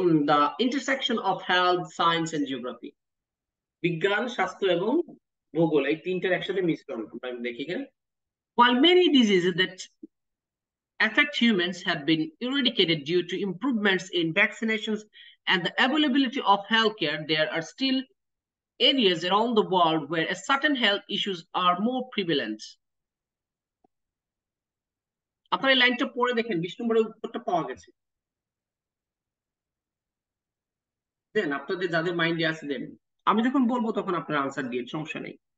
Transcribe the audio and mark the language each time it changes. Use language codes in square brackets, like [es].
[en] the intersection of health science and geography, [bn] বিজ্ঞান, স্বাস্থ্য এবং ভূগোল, এই তিনটার একসাথে মিশ্রণ আমরা দেখি এখানে। [en] While many diseases that affect humans have been eradicated due to improvements in vaccinations and the availability of healthcare, there are still areas around the world where a certain health issues are more prevalent. [bn] আপনার এই লাইনটা পড়ে দেখেন, 20 নম্বরের উত্তরটা পাওয়া গেছে। দেন আপনাদের যাদের মাইন্ডে আছে দেন, আমি যখন বলবো তখন আপনারা আনসার দিয়ে, সমস্যা নেই।